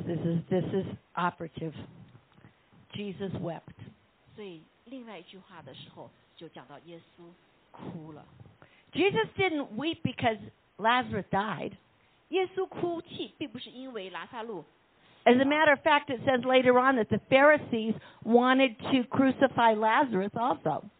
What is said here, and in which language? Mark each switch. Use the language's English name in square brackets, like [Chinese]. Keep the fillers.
[English] This is this is operative. Jesus wept. [Chinese] 所以另外一句话的时候就讲到耶稣哭了。 [English] Jesus didn't weep because Lazarus died. [Chinese] 耶稣哭泣并不是因为拉萨路。 [English] As a matter of fact, it says later on that the Pharisees wanted to crucify Lazarus also.